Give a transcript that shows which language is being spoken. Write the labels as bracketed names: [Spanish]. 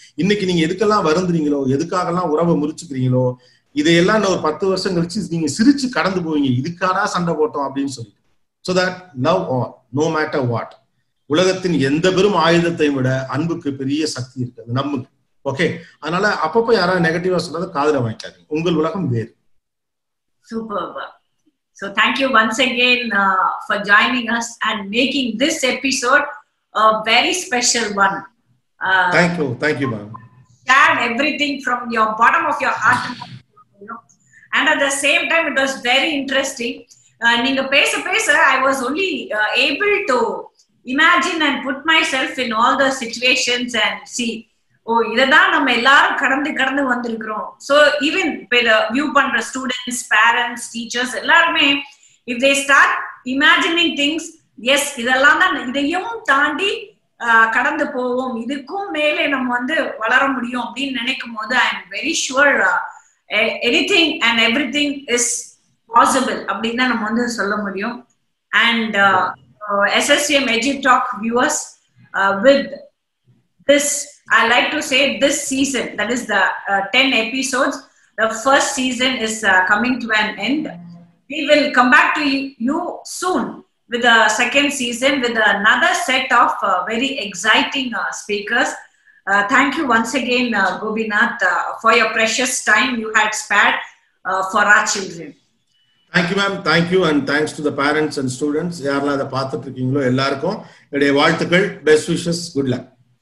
[Tamil] இன்னைக்கு நீங்க எதுக்கெல்லாம் வருந்துறீங்களோ, எதுக்காக எல்லாம் உறவை முறிச்சுக்கிறீங்களோ, இதையெல்லாம் இன்னும் 10 வருஷம் கழிச்சு நீங்க சிரிச்சு கடந்து போவீங்க, இதுக்காரா சண்டை போட்டோம் அப்படின்னு சொல்லிட்டு. [English] So that love all no matter what. [Tamil] உலகத்தின் எந்த பெரும் ஆயுதத்தை விட அன்புக்கு பெரிய சக்தி இருக்குது, நம்புங்க. ஓகே, அதனால அப்பப்ப யாராவது நெகட்டிவா சொல்றத காதுல வாங்கிக்காதீங்க, உங்கள் உலகம் வேறு. [English] Superb. So thank you once again for joining us and making this episode a very special one. Thank you ma'am. Shared everything from your bottom of your heart, you know. And at the same time it was very interesting. [Tamil] நீங்க பேச பேச [English] I was only able to imagine and put myself in all the situations and see, oh, [Tamil] இதைதான் நம்ம எல்லாரும் கடந்து கடந்து வந்திருக்கிறோம். [English] So even view [Tamil] பண்ற [English] students, parents, teachers, [Tamil] எல்லாருமே [English] if they start imagining things, yes, [Tamil] இதெல்லாம் தான் இதையும் தாண்டி கடந்து போவோம், இதுக்கும் மேலே நம்ம வந்து வளர முடியும் அப்படின்னு நினைக்கும் போது [English] I am very sure anything and every thing is possible [Tamil] அப்படின்னு தான் நம்ம வந்து சொல்ல முடியும். [English] And SSVM Edutalk viewers, with this, I like to say this season, that is the 10 episodes, the first season is coming to an end. We will come back to you soon with the second season with another set of very exciting speakers. Thank you once again, Gobinath, for your precious time you had spared for our children. Thank you, ma'am. Thank you, and thanks to the parents and students. [Tamil] யாரெல்லாம் அதை பார்த்துட்டு இருக்கீங்களோ எல்லாருக்கும் என்னுடைய வாழ்த்துக்கள், [English] Best wishes, good luck.